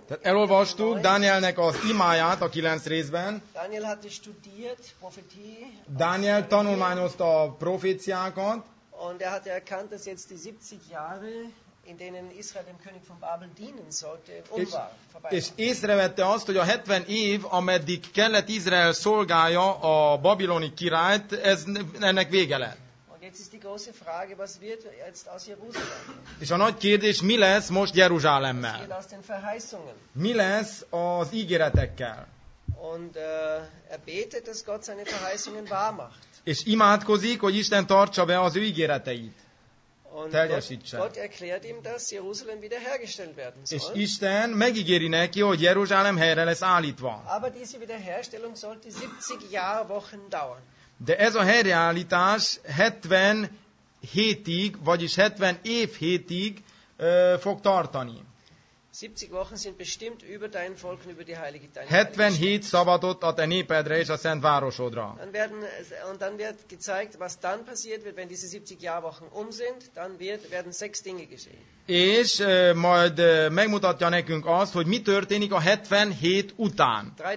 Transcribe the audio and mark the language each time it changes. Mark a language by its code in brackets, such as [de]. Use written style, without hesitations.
[hu] Tehát elolvastuk Danielnek az imáját a 9 részben. [de] Daniel hatte studiert Prophetie. [hu] Daniel tanulmányozta a proféciákat. [de] Und er hatte erkannt, dass jetzt die 70 Jahre, in denen Israel dem König von Babel dienen sollte, vorbei. [hu] És észrevette azt, hogy a 70 év, ameddig kellett Izrael szolgálja a babiloni királyt, ennek vége lett. [de] Und jetzt ist die große Frage, was wird jetzt aus Jerusalem? [hu] És a nagy kérdés, mi lesz most Jeruzsálemmel? [de] Was wird aus den Verheißungen? [hu] Mi lesz az ígéretekkel? [de] Und er betet, dass Gott seine Verheißungen wahr macht. [hu] És imádkozik, hogy Isten tartsa be az ő ígéreteit. Teljesítse. [de] Gott erklärt ihm, dass Jerusalem wiederhergestellt werden soll. [hu] És Isten megígéri neki, hogy Jeruzsálem helyre lesz állítva. [de] Aber diese Wiederherstellung sollte 70 Jahrwochen dauern. [hu] De ez a helyreállítás 70 hétig, vagyis 70 év hétig fog tartani. [de] 70 Wochen sind bestimmt über dein Volk und über die heilige Stadt. [hu] 77 szabadott a te népedre és a szent városodra. [de] Und dann wird gezeigt, was dann passiert wird, wenn diese 70 Jahrwochen um sind, dann werden 6 Dinge geschehen. [hu] És majd megmutatja nekünk azt, hogy mi történik a 77 után.